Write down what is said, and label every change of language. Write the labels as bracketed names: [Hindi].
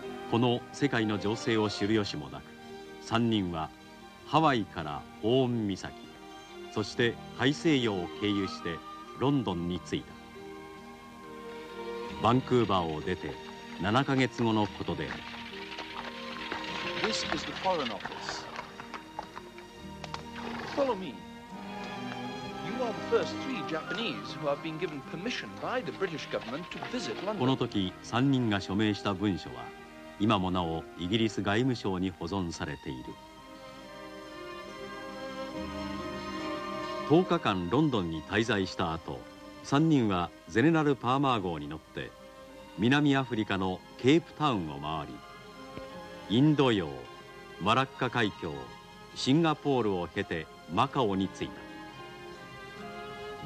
[Japanese] この世界の情勢を知る由もなく、3人はハワイからホーン岬、そして大西洋を経由してロンドンに着いた。バンクーバーを出て7ヶ月後のことである。 [English] This is the foreign office. Follow me. You are are the first three Japanese who have been given permission by the British government to visit London. [Japanese] この時、3人が署名した文書は、今もなおイギリス外務省に保存されている。 10日間ロンドンに滞在した後、3人はゼネラル・パーマー号に乗って、南アフリカのケープタウンを回り、インド洋、マラッカ海峡、シンガポールを経てマカオに着いた。